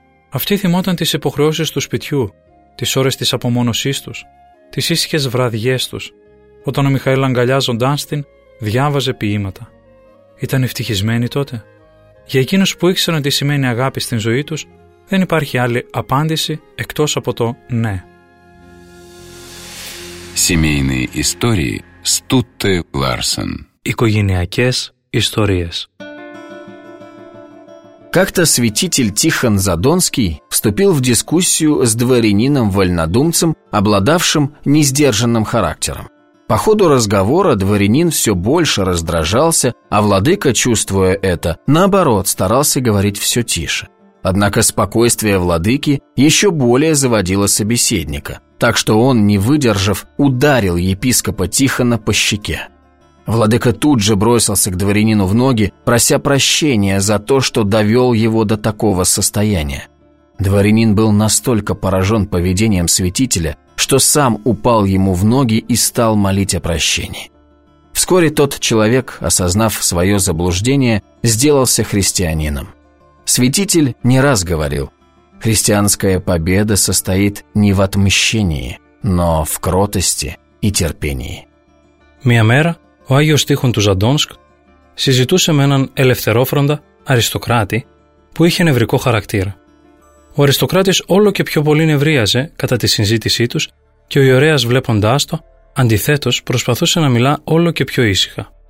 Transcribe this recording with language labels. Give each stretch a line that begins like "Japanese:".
Greek: Αυτή θυμόταν τις υποχρεώσεις του σπιτιού, τις ώρες της απομόνωσής τους, τις ήσυχες βραδιές τους, όταν ο Μιχαήλ αγκαλιάζοντάς την διάβαζε ποίηματα. Ήταν ευτυχισμένοι τότε? Για εκείνους που ήξεραν τι σημαίνει αγάπη στην ζωή τους, δεν υπάρχει άλλη απάντηση εκτός από το ναι.
Russian: Семейные истории Стутте Ларсен.
Greek: Οικογενειακές ιστορίες.
Russian: Как-то святитель Тихон Задонский вступил в дискуссию с дворянином-вольнодумцем, обладавшим несдержанным характером. По ходу разговора дворянин все больше раздражался, а владыка, чувствуя это, наоборот, старался говорить все тише. Однако спокойствие владыки еще более заводило собеседника, так что он, не выдержав, ударил епископа Тихона по щеке. Владыка тут же бросился к дворянину в ноги, прося прощения за то, что довел его до такого состояния. Дворянин был настолько поражен поведением святителя, что сам упал ему в ноги и стал молить о прощении. Вскоре тот человек, осознав свое заблуждение, сделался христианином. Святитель не раз говорил: «Христианская победа состоит не в отмщении, но в кротости и терпении».
Greek: Мия мера, ο Άγιος Τίχων του Ζαντόνσκ, συζητούσε με έναν ελευθερόφροντα αριστοκράτη που είχε νευρικό χαρακτήρα. Ο αριστοκράτης όλο και πιο πολύ νευρίαζε κατά τη συζήτησή τους και ο ιερέας, βλέποντάς το, αντιθέτως προσπαθούσε να μιλά όλο και πιο ήσυχα.